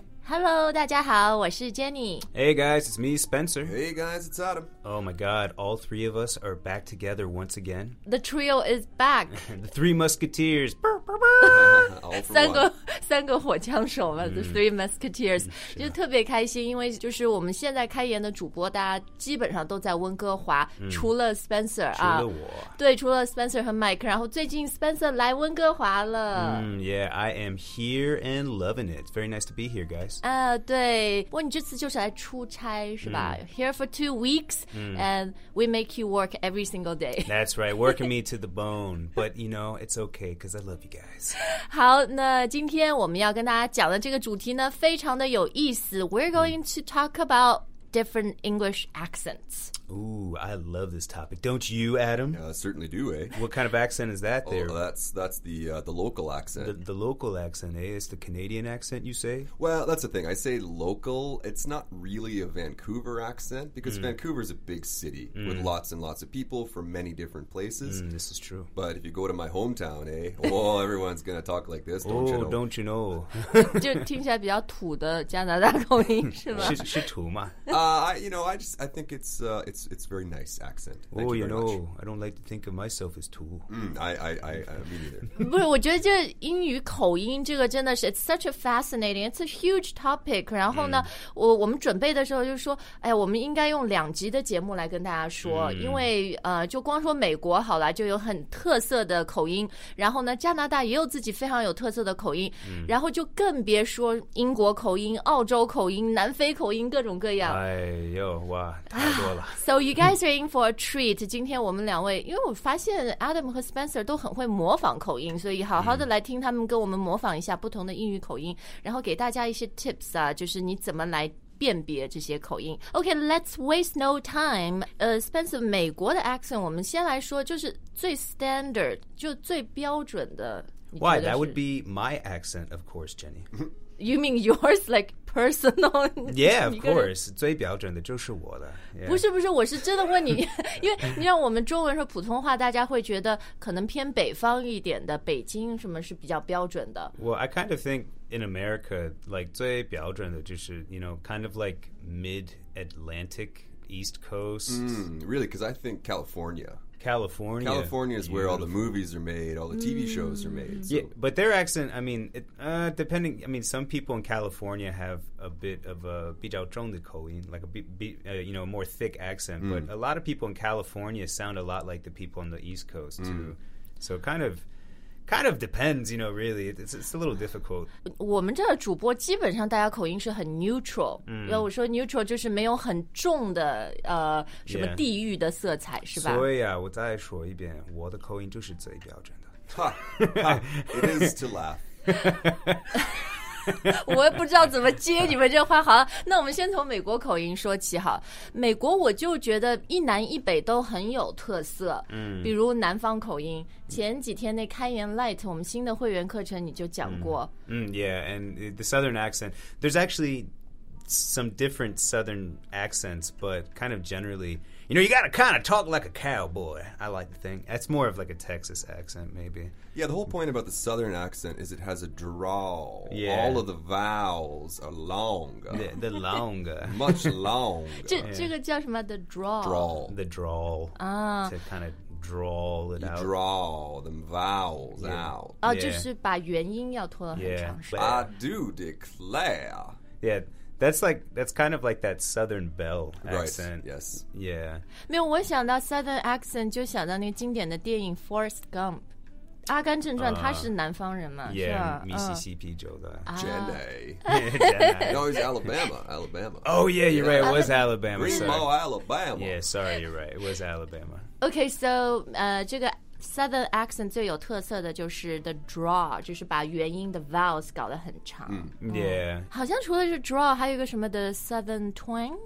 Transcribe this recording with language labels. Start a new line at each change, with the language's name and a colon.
Chinese: Hello, 大家好，我是 Jenny.
English: Hey guys, it's me, Spencer. Hey guys, it's Adam. Oh my god, all three of us are back together once again. The trio is back. The three musketeers. All for one.
Chinese: 三个火枪手嘛、
English: The three musketeers.
Chinese: 就特别开心，因为就是我们现在开言的主播大家基本上都在温哥华、除了 Spencer 除了我、对，除了 Spencer 和 Mike， 然后最近 Spencer 来温哥华了、
English: Yeah, I am here and loving it. It's very nice to be here, guys.
Chinese: 对，不过你这次就是来出差是吧、
English: Here for 2 weeks、And we make you work every single day. That's right, working me to the bone. But you know, it's okay, because I love you guys.
Chinese: 好，那今天我们要跟大家讲的这个主题呢非常的有意思。
English: We're going to talk about different English accents. Ooh, I love this topic. Don't you, Adam? Certainly do, eh? What kind of accent is that there? Oh, that's the local accent. The local accent, eh? It's the Canadian accent, you say? Well, that's the thing. I say local. It's not really a Vancouver accent, because Vancouver's a big city with lots and lots of people from many different places. This is true. But if you go to my hometown, eh? Oh, everyone's going to talk like this, don't you Oh, don't you know?
Chinese: 就听起来比较土的加拿大口音是吗？是土吗？
English: I think it's very nice accent. Thank you very know, much. I don't like to think of myself as too. Me neither.
Chinese: 不是，我觉得这英语口音这个真的是
English: it's such a fascinating, it's a huge topic.
Chinese: 然后呢，我们准备的时候就说，哎，我们应该用两集的节目来跟大家说，因为就光说美国好了，就有很特色的口音。然后呢，加拿大也有自己非常有特色的口音。然后就更别说英国口音、澳洲口音、南非口音各种各样。哎呦，哇，太多了。
English: So you guys are in for a treat.
Chinese: 今天我们两位，因为我发现 Adam 和 Spencer 都很会模仿口音，所以好好的来听他们跟我们模仿一下不同的英语口音，然后给大家一些 tips 啊，就是你怎么来辨别这些口音。
English: Okay, let's waste no time.
Chinese: Spencer, 美国的 accent 我们先来说，就是最 standard 就最标准的。
English: Why? That would be my accent, of course, Jenny. You mean yours, like personal? Yeah, of course.
Chinese: 最标准的就是我的。不是不是，我是真的问你，因为你让我们中文说普通话，大家会觉得可能偏北方一点的，北京什么是比较标准的。
English: Well, I kind of think in America, like
Chinese: 最标准的就是
English: you know, kind of like mid-Atlantic, East Coast. Really, because I think California. California is where all the movies are made, all the TV shows are made. So. Yeah, but their accent, I mean, depending, I mean, some people in California have a bit of a
Chinese: 比较重的口音,
English: like a you know, more thick accent. But a lot of people in California sound a lot like the people on the East Coast, too. So kind of depends, you know, really. It's a little difficult.
Chinese: 我们这个主播基本上大家口音是很 neutral. 那我说 neutral 就是没有很重的什么地域的色彩是吧？所以啊，我再说一遍，我的口音就是最标准的。
English: It is to laugh.
Chinese: 我也不知道怎么接你们这话。好了，那我们先从美国口音说起好。美国我就觉得一南一北都很有特色，比如南方口音。前几天那开言 Light 我们新的会员课程你就讲过。
English: Yeah, and the southern accent. There's actually some different southern accents, but kind of generally, you know, you gotta kind of talk like a cowboy. I like the thing. That's more of like a Texas accent, maybe. Yeah, the whole point about the southern accent is it has a drawl. Yeah. All of the vowels are long. The longer. Much longer. 这个叫什么?The drawl. Drawl. The drawl. To kind of drawl it out. You draw the vowels out.
Chinese: Oh, 就是把元音要拖得很长
English: 时间。I do declare. Yeah. That's kind of like that Southern Belle accent. Right, yes. Yeah.
Chinese: 没有，我想到 Southern accent 就想到那个经典的电影 Forrest Gump. 阿甘正传，他是南方人嘛，是吧？ Yeah, Mississippi 州的。
English: Jenny. No, it's Alabama. Oh, yeah, you're right. It was Alabama. Greenbow, Alabama. Yeah, sorry, you're right. It was Alabama.
Chinese: Okay, so, 这个Southern accent 最有特色的就是 the draw, 就是把元音的 vowels 搞得很长。
English: Yeah.
Chinese: 好像除了是 draw, 还有一个什么 the southern twang?